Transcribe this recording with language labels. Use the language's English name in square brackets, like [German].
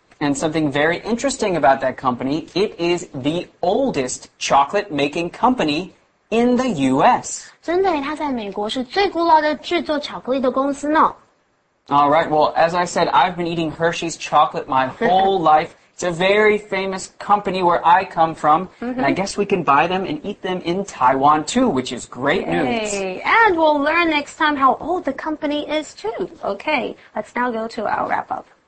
[English] And something very interesting about that company, it is the oldest chocolate-making company in the U.S. [Chinese] 真的，它在美国是最古老的制作巧克力的公司呢。 [English] All right, well, as I said, I've been eating Hershey's chocolate my whole life. It's a very famous company where I come from, and I guess we can buy them and eat them in Taiwan too, which is great news. And we'll learn next time how old the company is too. Okay, let's now go to our wrap-up.